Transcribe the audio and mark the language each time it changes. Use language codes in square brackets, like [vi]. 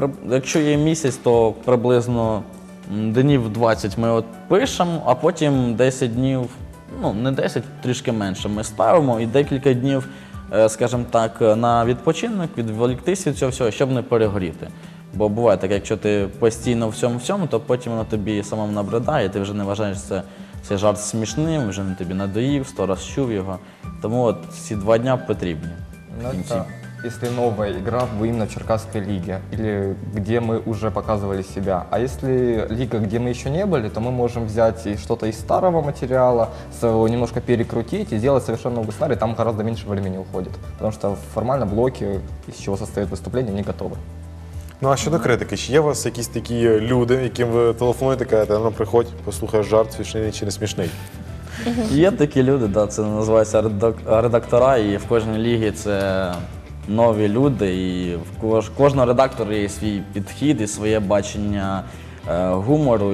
[uk] Якщо є місяць, то приблизно днів 20 ми от пишемо, а потім 10 днів, ну не 10, трішки менше, ми ставимо і декілька днів, скажімо так, на відпочинок, відволіктись від цього всього, щоб не перегоріти. Бо буває так, якщо ти постійно всьому-всьому, то потім воно тобі самому набридає, ти вже не вважаєш цей жарт смішним, вже не тобі надоїв, 100 раз чув його. Тому от ці два дня потрібні. [ru] Если новая игра, вы именно в Черкасской лиге, или где мы уже показывали себя. А если лига, где мы еще не были, то мы можем взять и что-то из старого материала, своего немножко перекрутить и сделать совершенно новый сценарий, там гораздо меньше времени уходит. Потому что формально блоки, из чего состоит выступление, не готовы. [uk] Ну а щодо критики, чи є у вас якісь такі люди, яким ви телефонуєте, кажете, ну приходь, послухай жарт, смішний чи не смішний? Є такі люди, да, це називається редактора, і в кожній лігі це нові люди, і кожного редактора є свій підхід і своє бачення гумору.